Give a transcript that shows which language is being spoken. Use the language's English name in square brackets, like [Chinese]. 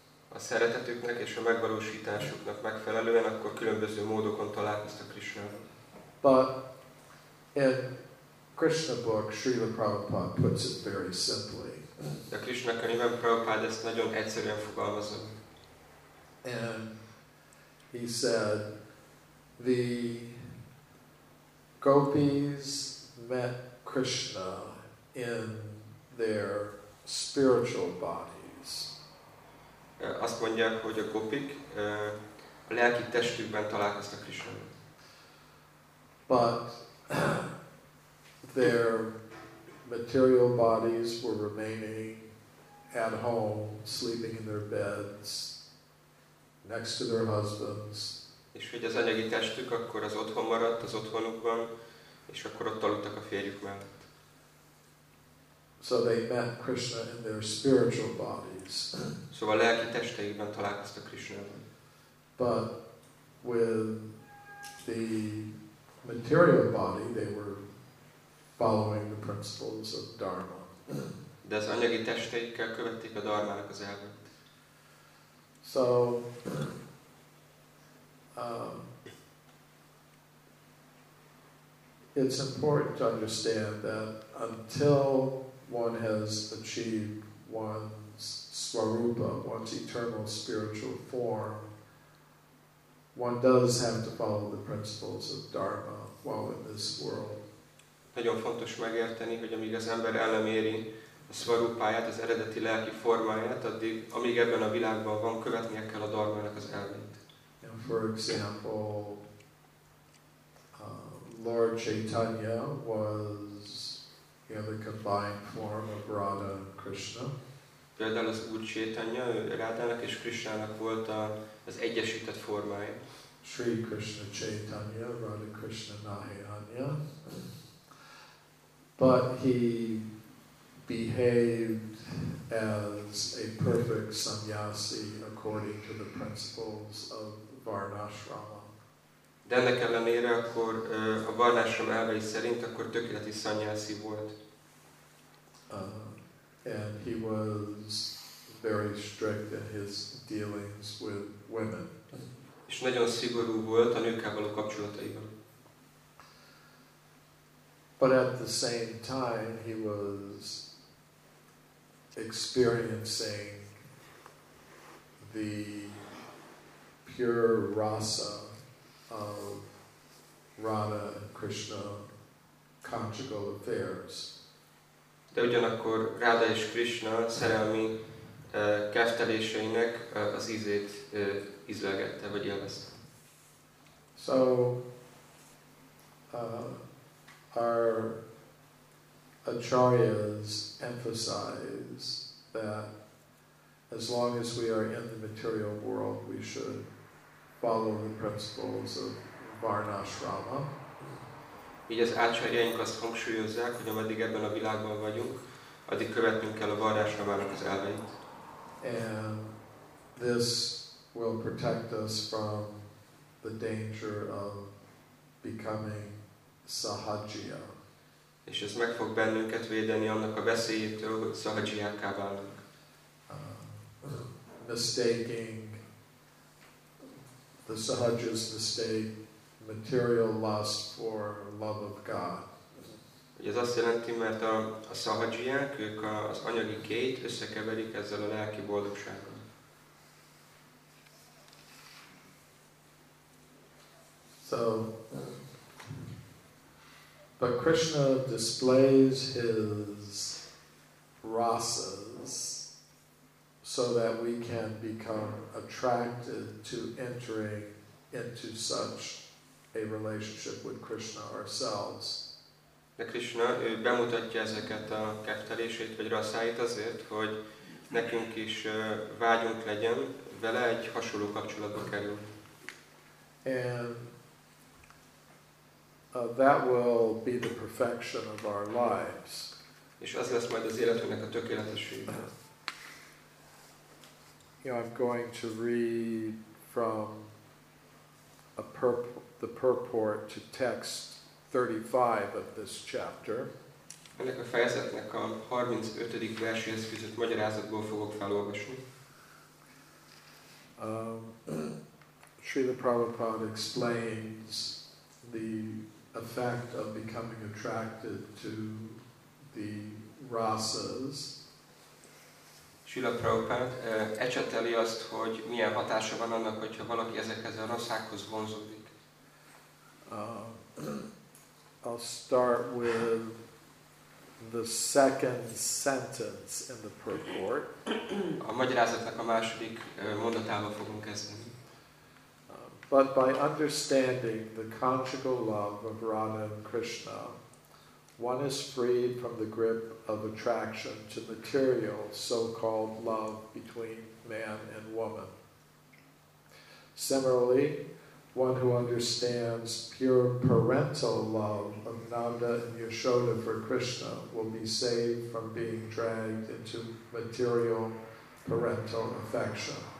[Hungarian] A szeretetüknek és a megvalósításuknak megfelelően akkor különböző módokon találkoztak Krishnával. [English] But in Krishna book, Srila Prabhupada puts it very simply. [Hungarian] De Krishna könyvben Prabhupada ezt nagyon egyszerűen fogalmazza. [English] And he said, the gopis met Krishna in their spiritual bodies. [Hungarian] Azt mondják, hogy a gopik a lelki testükben találkoztak Krishnával. [English] But their material bodies were remaining at home, sleeping in their beds, next to their husbands. [Hungarian] És hogy az anyagi testük akkor az otthon maradt, az otthonukban, és akkor ott aludtak a férjük mellett. [English] So they met Krishna in their spiritual bodies. [Hungarian] Szóval a lelki testeikben találkoztak Krishnával. [English] But with the material body, they were following the principles of dharma. [Hungarian] De az anyagi testeikkel követték a dharmának az elvét. [English] So, it's important to understand that until one has achieved one's swarupa, one's eternal spiritual form, one does have to follow the principles of dharma while in this world. [Hungarian] Nagyon fontos megérteni, hogy amíg az ember eleméri a swarupáját, az eredeti lelki formáját, addig, amíg ebben a világban van, követnie kell a dharmának az elvét. [English] And for example, Lord Chaitanya was the combined form of Radha and Krishna. [Hungarian] Például az Úr Chaitanya, Rádának és Krishnának volt az egyesített formája. [Bangla] Sri Krishna Chaitanya, Radha Krishna Nahayanya. [English] But he behaved as a perfect sannyasi according to the principles of Varnashrama. [Hungarian] De ennek ellenére akkor a Varnashrama elvei szerint akkor tökéleti sannyasi volt. [English] And he was very strict in his dealings with women. [Hungarian] És nagyon szigorú volt a nőkkel való kapcsolataiban. [English] But at the same time, he was experiencing the pure rasa of Radha and Krishna conjugal affairs. [Hungarian] De ugyanakkor Radha és Krishna szerelmi kefteléseinek az ízét ízlelgette, vagy élvezte. [English] So, our acharyas emphasize that as long as we are in the material world, we should follow the principles of Varnashrama. [Hungarian] Így az acharyaink azt hangsúlyozzák, hogy ameddig ebben a világban vagyunk, addig követnünk kell a Varnashramának az elveit. [English] And this will protect us from the danger of becoming sahajiya. [Hungarian] És ez meg fog bennünket védeni annak a veszélyétől, hogy szahajiákká válunk. [English] Mistaking the sahajas mistake material lust for love of God. [Hungarian] Ez azt jelenti, mert a szahajiák, ők az anyagi kényt összekeverik ezzel a lelki boldogsággal. [English] So, but Krishna displays his rasas so that we can become attracted to entering into such a relationship with Krishna ourselves. [Hungarian] De Krishna, ő bemutatja ezeket a kefteléseit vagy rasszáit azért, hogy nekünk is vágyunk legyen vele egy hasonló kapcsolatba kerül. [English] And that will be the perfection of our lives. [Hungarian] És az lesz majd az életünknek a tökéletessége. [English] I'm going to read from the purport to text 35 of this chapter. [Hungarian] Ennek a fejezetnek a 35. verséhez fűzött magyarázatból fogok felolvasni. [English] Srila Prabhupada explains the effect of becoming attracted to the rasas. [Hungarian] Srila Prabhupada ecseteli azt, hogy milyen hatása van annak, hogyha valaki ezekhez a rasszákhoz vonzódik. [English] I'll start with the second sentence in the purport. [Hungarian] A magyarázatnak a második mondatával fogunk kezdeni. [English] But by understanding the conjugal love of Radha and Krishna, One is freed from the grip of attraction to material, so-called love between man and woman. Similarly, one who understands pure parental love of Nanda and Yashoda for Krishna will be saved from being dragged into material parental affection.